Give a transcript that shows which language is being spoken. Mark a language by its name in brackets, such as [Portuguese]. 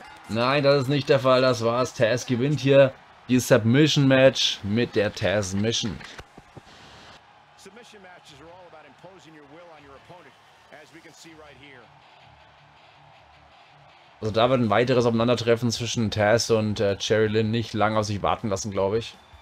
[German] Nein, das ist nicht der Fall, das war's. Taz gewinnt hier die Submission Match mit der Taz Mission. [English] Submission Matches are all about imposing your will on your opponent, as we can see right here. [German] Also da wird ein weiteres Aufeinandertreffen zwischen Taz und Cherry Lynn nicht lange auf sich warten lassen, glaube ich.